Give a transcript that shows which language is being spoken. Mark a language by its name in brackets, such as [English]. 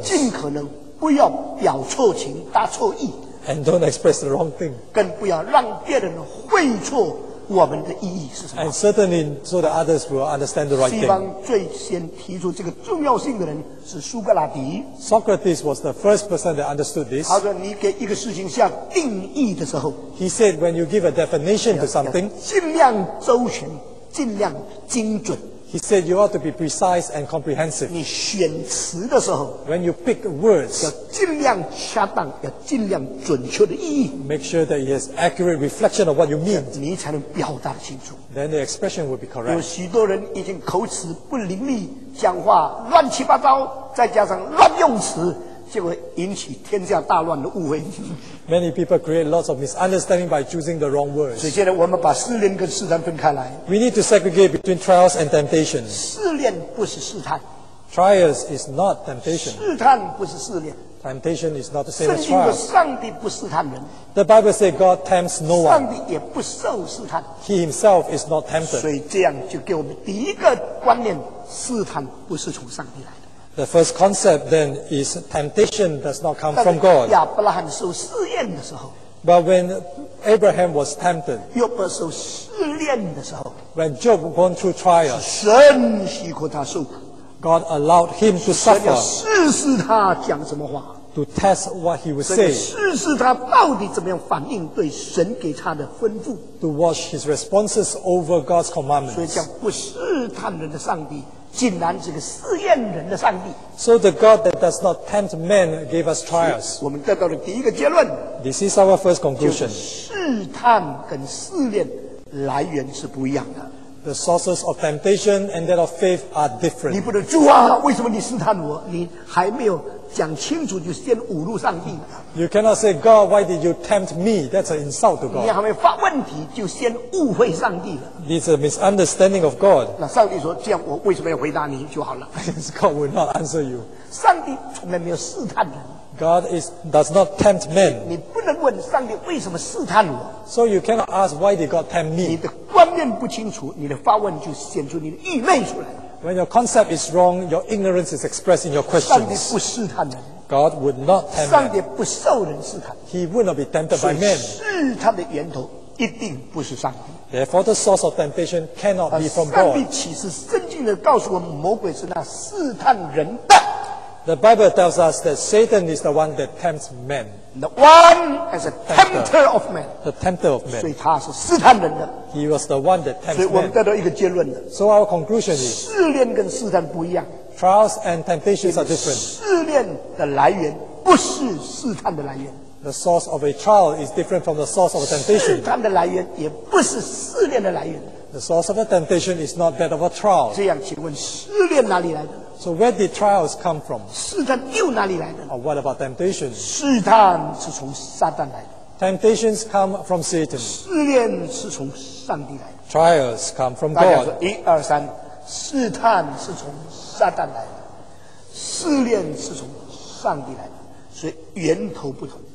[Chinese] 尽可能不要表错情、答错意。 [English] And don't express the wrong thing. [Chinese] 更不要让别人会错我们的意义是什么。 [English] And certainly so that others will understand the right thing. [Chinese] 西方最先提出这个重要性的人是苏格拉底。 [English] Socrates was the first person that understood this. [Chinese] 他说你给一个事情下定义的时候。 [English] He said when you give a definition to something. [Chinese] 尽量周全，尽量精准。 [English] He said you ought to be precise and comprehensive. [Chinese] 你选词的时候。 [English] When you pick words. [Chinese] 要尽量恰当，要尽量准确的意义。 [English] Make sure that it has accurate reflection of what you mean. [Chinese] 你才能表达清楚。 [English] Then the expression will be correct. [Chinese] 有许多人已经口齿不伶俐，讲话乱七八糟，再加上乱用词，就会引起天下大乱的误会。 [English] Many people create lots of misunderstanding by choosing the wrong words. [Chinese] 所以现在我们把试炼跟试探分开来。 [English] We need to segregate between trials and temptations. [Chinese] 试炼不是试探。 [English] Trials is not temptation. [Chinese] 试探不是试炼。 [English] Temptation is not the same as trials. 圣经 [Chinese] 说上帝不试探人。 [English] The Bible says God tempts no one. [Chinese] 上帝也不受试探。 [English] He himself is not tempted. [Chinese] 所以这样就给我们第一个观念，试探不是从上帝来。 [English] The first concept then is temptation does not come from God. [Chinese] 亚伯拉罕受试验的时候。 [English] But when Abraham was tempted. [Chinese] 约伯受试验的时候。 [English] When Job went through trial. [Chinese] 神许可他受苦。 [English] God allowed him to suffer. [Chinese] 试试他讲什么话。 [English] To test what he would say. [Chinese] 试试他到底怎么样反应对神给他的吩咐。 [English] To watch his responses over God's commandments. [Chinese] 所以讲不试探人的上帝。竟然这个试验人的上帝。 [English] So the God that does not tempt men gave us trials. [Chinese] 我们得到了第一个结论。 [English] This is our first conclusion. [Chinese] 试探跟试炼来源是不一样的。 [English] The sources of temptation and that of faith are different. [Chinese] 你不能主啊，为什么你试探我？你还没有讲清楚就先侮辱上帝。 [English] You cannot say God, why did you tempt me? That's an insult to God. [Chinese] 你还没发问题就先误会上帝了。 [English] It's a misunderstanding of God. [Chinese] 那上帝说这样，我为什么要回答你就好了。 [English] God will not answer you. [Chinese] 上帝从来没有试探人。 [English] God does not tempt men. [Chinese] 你不能问上帝为什么试探我。 [English] So you cannot ask why did God tempt me. [Chinese] 你的观念不清楚，你的发问就显出你的愚昧出来。 [English] When your concept is wrong, your ignorance is expressed in your questions. [Chinese] 上帝不试探人。 [English] God would not tempt man. [Chinese] 上帝不受人试探。 [English] He would not be tempted by men. [Chinese] 试探的源头一定不是上帝。 [English] Therefore, the source of temptation cannot be from God. [Chinese] 上帝启示圣经的告诉我们，魔鬼是那试探人的。 [English] The Bible tells us that Satan is the one that tempts men. The one as a tempter of men. The tempter of men. [Chinese] 所以他是试探人的。 [English] He was the one that tempts men. [Chinese] 所以我们得到一个结论的。 [English] So our conclusion is. [Chinese] 试炼跟试探不一样。 [English] Trials and temptations are different. [Chinese] 试炼的来源不是试探的来源。 [English] The source of a trial is different from the source of a temptation. [Chinese] 试探的来源也不是试炼的来源。 [English] The source of a temptation is not that of a trial. [Chinese] 这样请问试炼哪里来的？ [English] So where did trials come from? [Chinese] 试探又哪里来的？ [English] Or what about temptation? [Chinese] 试探是从撒旦来的。 [English] Temptations come from Satan. [Chinese] 试炼是从上帝来的。 [English] Trials come from God. [Chinese] 大家说一二三，试探是从撒旦来的，试炼是从上帝来的，所以源头不同。